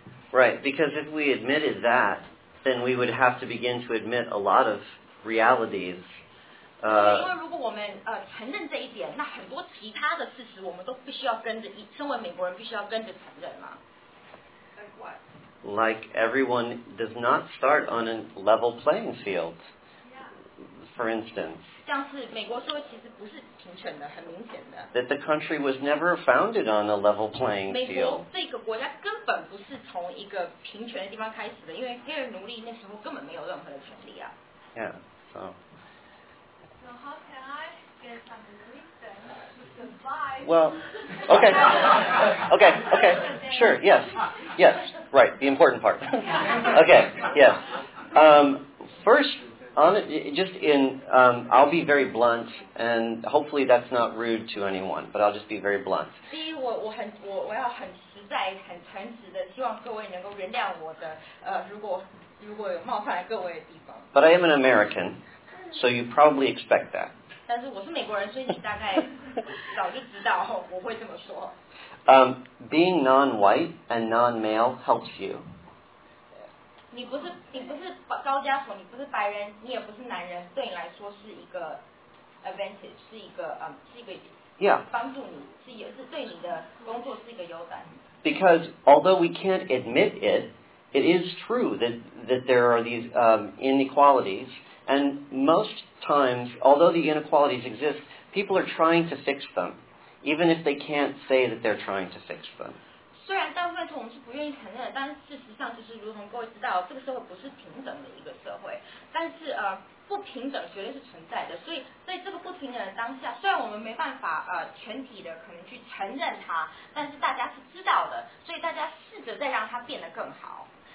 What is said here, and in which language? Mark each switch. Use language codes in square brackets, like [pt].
[en] Right, because if we admitted that, then we would have to begin to admit a lot of realities. [zh] 因为如果我们承认这一点，那很多其他的事实我们都必须要跟着，身为美国人必须要跟着承认嘛。 [en] Like everyone does not start on a level playing field, for instance. [zh] 像是美国社会其实不是平权的，很明显的。 [en] That the country was never founded on a level playing field. [zh] 美国这个国家根本不是从一个平权的地方开始的，因为黑人奴隶那时候根本没有任何的权利啊。 [en] Yeah, so. So how can I get some relief then? Goodbye. Well, okay. Okay, okay. Sure, yes. Yes, right, the important part. Okay, yes. First, I'll be very blunt, and hopefully that's not rude to anyone, but I'll just be very blunt. [zh] 第一，我要很实在、很诚实的，希望各位能够原谅我的，如果有冒犯各位的地方。 [en] But I am an American, so you probably expect that. [zh] 但是我是美国人，所以你大概早就知道我会这么说。 [en] Being non-white and non-male helps you. [zh] 你不是高加索，你不是白人，你也不是男人，对你来说是一个 advantage， 是一个帮助你，是对你的工作是一个优待。 [en] Because although we can't admit it, it is true that there are these inequalities, and most times, although the inequalities exist, people are trying to fix them. Even if they can't say that they're trying to fix them. [zh] 虽然大部分时候我们是不愿意承认的，但事实上就是如同各位知道，这个社会不是平等的一个社会。但是不平等绝对是存在的，所以在这个不平等的当下，虽然我们没办法全体的可能去承认它，但是大家是知道的，所以大家试着再让它变得更好。